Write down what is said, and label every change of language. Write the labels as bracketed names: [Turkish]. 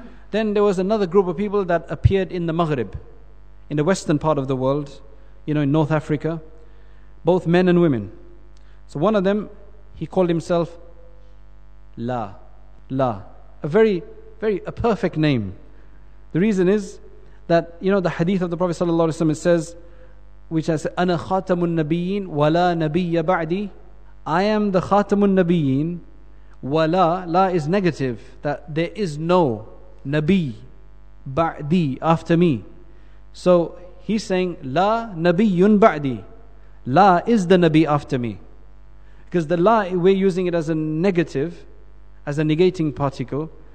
[English] Then there was another group of people that appeared in the Maghrib, in the western part of the world, you know, in North Africa, both men and women. So one of them, he called himself La, a perfect name. The reason is that, you know, the hadith of the Prophet sallallahu alaihi wasallam, it says which has [Arabic] أنا خاتم النبيين ولا نبي بعدي. [English] I am the [Arabic] خاتم النبيين. [English] Wala, la is negative, that there is no nabi ba'di after me. So he's saying [Arabic] la nabiyun ba'di, [English] la is the nabi after me, because the la, we're using it as a negative, as a negating particle.